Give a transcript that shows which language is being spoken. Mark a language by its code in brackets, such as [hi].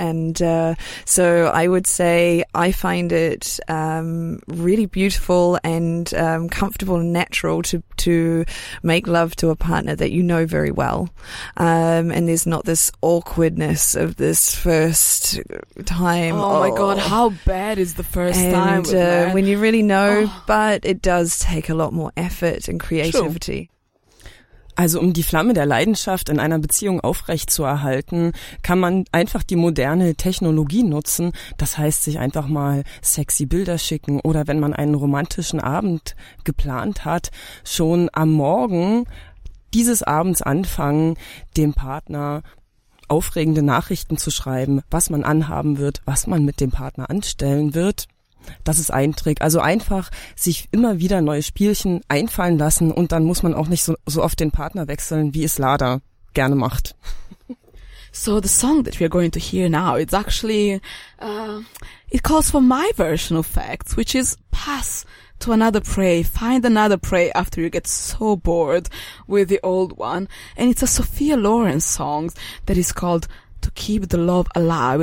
[en] And so I would say I find it really beautiful and comfortable and natural to make love to a partner that you know very well. And there's not this awkwardness of this first time. Oh, my God, how bad is the first and, time? And when you really know, but it does take a lot more effort and creativity. [de] Also, um die Flamme der Leidenschaft in einer Beziehung aufrechtzuerhalten, kann man einfach die moderne Technologie nutzen. Das heißt, sich einfach mal sexy Bilder schicken oder wenn man einen romantischen Abend geplant hat, schon am Morgen dieses Abends anfangen, dem Partner aufregende Nachrichten zu schreiben, was man anhaben wird, was man mit dem Partner anstellen wird. Das ist ein Trick. Also einfach sich immer wieder neue Spielchen einfallen lassen, und dann muss man auch nicht so oft den Partner wechseln, wie es Lada gerne macht. [en] So the song that we are going to hear now, it's actually, it calls for my version of facts, which is pass to another prey, find another prey after you get so bored with the old one. And it's a Sophia Loren song that is called To Keep the Love Alive.